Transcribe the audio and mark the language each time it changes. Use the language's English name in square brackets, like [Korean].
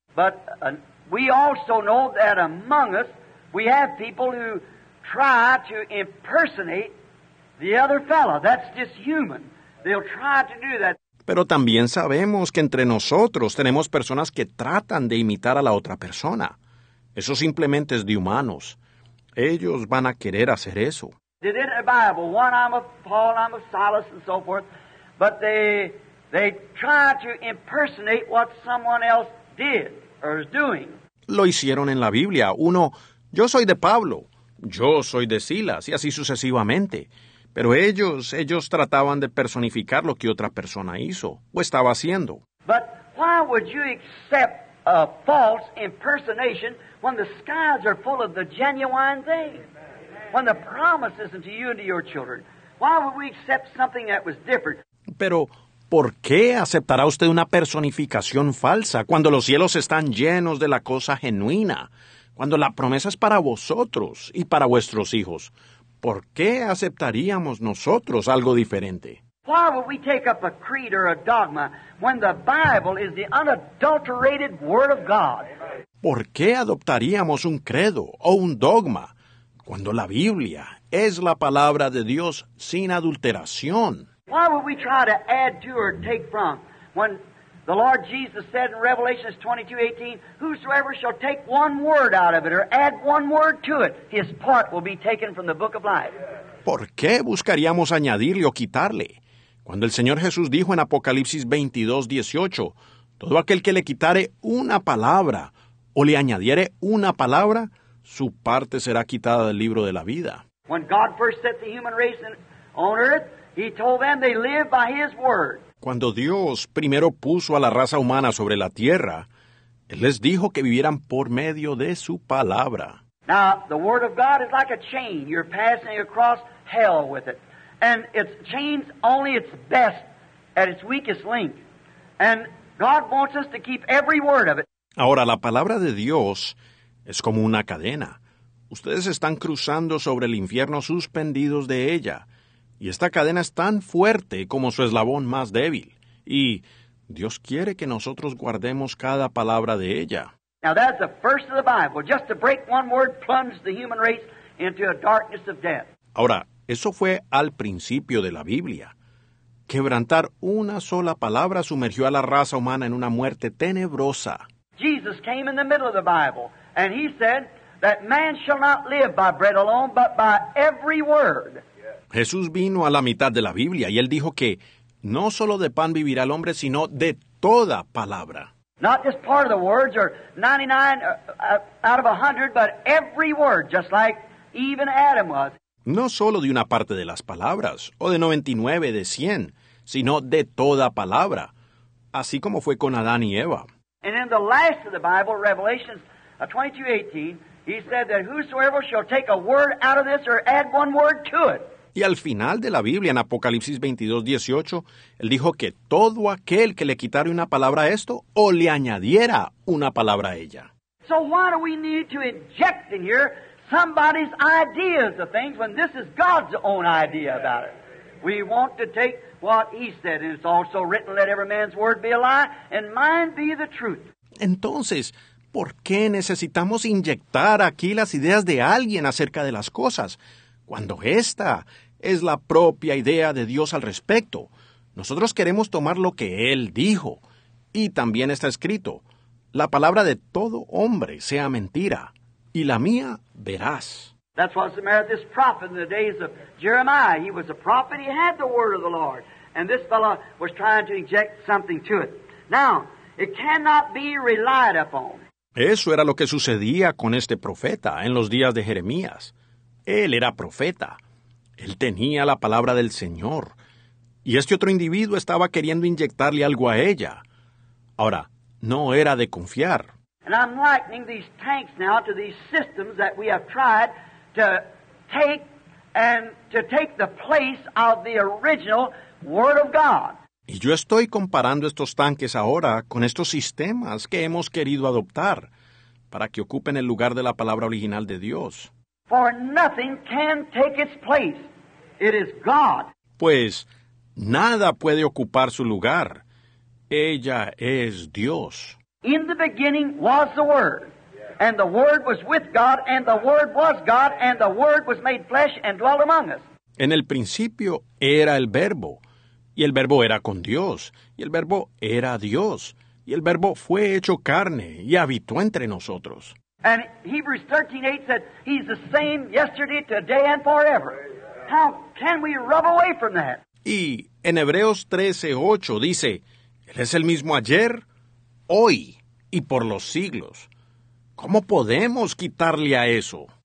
[English] But we also know that among us, we have people who try to impersonate the other fellow. That's just human. They'll try to do that. [Spanish] Pero también sabemos que entre nosotros tenemos personas que tratan de imitar a la otra persona. Eso simplemente es de humanos. Ellos van a querer hacer eso. [English] They did it in the Bible. One, I'm of Paul, I'm of Silas, and so forth. But they try to impersonate what someone else did or is doing. [Spanish] Lo hicieron en la Biblia. Uno, yo soy de Pablo, yo soy de Silas, y así sucesivamente. Pero ellos trataban de personificar lo que otra persona hizo o estaba haciendo. [English] But why would you accept a false impersonation when the skies are full of the genuine thing? When the promise isn't to you and to your children? Why would we accept something that was different? [Spanish] Pero, ¿por qué aceptará usted una personificación falsa cuando los cielos están llenos de la cosa genuina? Cuando la promesa es para vosotros y para vuestros hijos. ¿Por qué aceptaríamos nosotros algo diferente? [English] Why would we take up a creed or a dogma when the Bible is the unadulterated Word of God? [Spanish] ¿Por qué adoptaríamos un credo o un dogma cuando la Biblia es la palabra de Dios sin adulteración? [English] Why would we try to add to or take from when the Lord Jesus said in Revelation 22:18, whosoever shall take one word out of it or add one word to it, his part will be taken from the book of life? [Spanish] ¿Por qué buscaríamos añadirle o quitarle? Cuando el Señor Jesús dijo en Apocalipsis 22:18, todo aquel que le quitare una palabra o le añadiere una palabra, su parte será quitada del libro de la vida. [English] When God first set the human race on earth, he told them they live by his word. [Spanish] Cuando Dios primero puso a la raza humana sobre la tierra, Él les dijo que vivieran por medio de su palabra. [English] Now, the word of God is like a chain. You're passing across hell with it. And it's chains only its best at its weakest link. And God wants us to keep every word of it. [Spanish] Ahora, la palabra de Dios es como una cadena. Ustedes están cruzando sobre el infierno suspendidos de ella. Y esta cadena es tan fuerte como su eslabón más débil. Y Dios quiere que nosotros guardemos cada palabra de ella. [English] Now that's the first of the Bible. Just to break one word plunged the human race into a darkness of death. [Spanish] Ahora, eso fue al principio de la Biblia. Quebrantar una sola palabra sumergió a la raza humana en una muerte tenebrosa. [English] Jesus came in the middle of the Bible, and he said that man shall not live by bread alone, but by every word. [Spanish] Jesús vino a la mitad de la Biblia, y él dijo que no solo de pan vivirá el hombre, sino de toda palabra. [English] Not just part of the words, or 99 out of 100, but every word, just like even Adam was. [Spanish] No solo de una parte de las palabras, o de 99, de 100, sino de toda palabra, así como fue con Adán y Eva. [English] And in the last of the Bible, Revelation 22:18, he said that whosoever shall take a word out of this or add one word to it. [Spanish] Y al final de la Biblia, en Apocalipsis 22:18, él dijo que todo aquel que le quitare una palabra a esto o le añadiera una palabra a ella. [English] So why do we need to inject in here somebody's ideas of things when this is God's own idea about it? We want to take what he said, and it's also written, let every man's word be a lie, and mine be the truth. [Spanish] Entonces, ¿por qué necesitamos inyectar aquí las ideas de alguien acerca de las cosas, cuando esta es la propia idea de Dios al respecto? Nosotros queremos tomar lo que Él dijo, y también está escrito, la palabra de todo hombre sea mentira, y la mía veraz. [English] That's what Samaria, this prophet in the days of Jeremiah, he was a prophet, he had the word of the Lord, and this fellow was trying to inject something to it. Now, it cannot be relied upon. [Spanish] Eso era lo que sucedía con este profeta en los días de Jeremías. Él era profeta. Él tenía la palabra del Señor. Y este otro individuo estaba queriendo inyectarle algo a ella. Ahora, no era de confiar. [English] And I'm likening these tanks now to these systems that we have tried to take and to take the place of the original Word of God. [Spanish] Y yo estoy comparando estos tanques ahora con estos sistemas que hemos querido adoptar para que ocupen el lugar de la palabra original de Dios. [English] For nothing can take its place. It is God. [Spanish] Pues, nada puede ocupar su lugar. Ella es Dios. [English] In the beginning was the Word. And the Word was with God, and the Word was God, and the Word was made flesh and dwelt among us. [Spanish] En el principio era el Verbo, y el Verbo era con Dios, y el Verbo era Dios, y el Verbo fue hecho carne y habitó entre nosotros. [English] And Hebrews 13:8 said, he's the same yesterday, today, and forever. How can we rub away from that? [Spanish] Y en Hebreos 13:8 dice, Él es el mismo ayer, hoy, y por los siglos. ¿Cómo podemos quitarle a eso?